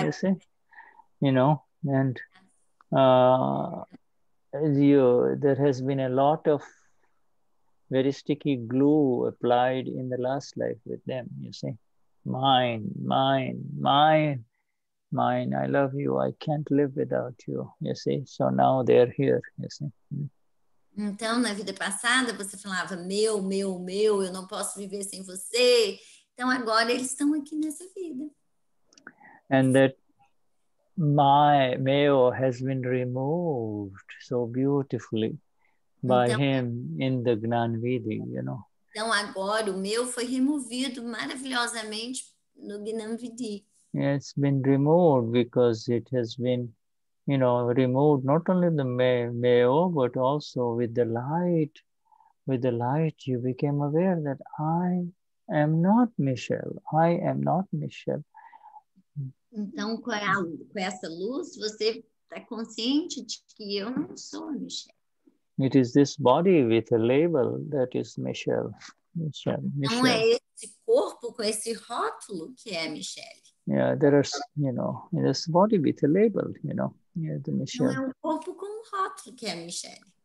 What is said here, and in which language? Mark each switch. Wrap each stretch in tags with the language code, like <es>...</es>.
<en>You know, and there has been a lot of very sticky glue applied in the last life with them, you see. Mine, I love you, I can't live without you, you see. So now they're here, you see.</en> <pt>Então, na vida passada, você falava, meu, eu não posso viver sem você. Então, agora eles estão aqui nessa vida.</pt> <en>And that my meu has been removed so beautifully. By então, him in the Gnani Vidhi, you know.</en> <pt>Então agora o meu foi removido maravilhosamente no Gnani Vidhi.</pt> <en>It's been removed because it has been, you know, removed not only the meo, but also with the light. With the light, you became aware that I am not Michelle. I am not Michelle.</en> <pt>Então com essa luz, você está consciente de que eu não sou a Michelle.</pt> <en>It is this body with a label that is Michelle. Michelle.</en> <pt>Não é esse corpo com esse rótulo que é Michelle.</pt> <en>Yeah, there are, you know, this body with a label, you know. Yeah, the Michelle.</en> <pt>Não é um corpo com rótulo que é Michelle.</pt>